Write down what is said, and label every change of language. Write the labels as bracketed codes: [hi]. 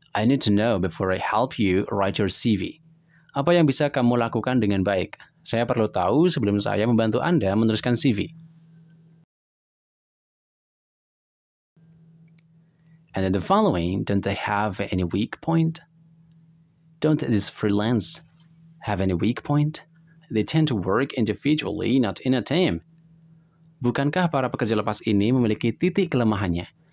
[en] I need to know before I help you write your CV. [id] Apa yang bisa kamu lakukan dengan baik? Saya perlu tahu sebelum saya membantu Anda menuliskan CV. [en] And then the following, don't they have any weak point? Don't this freelance have any weak point? They tend to work individually, not in a team. [id] Bukankah para pekerja lepas ini memiliki titik kelemahannya?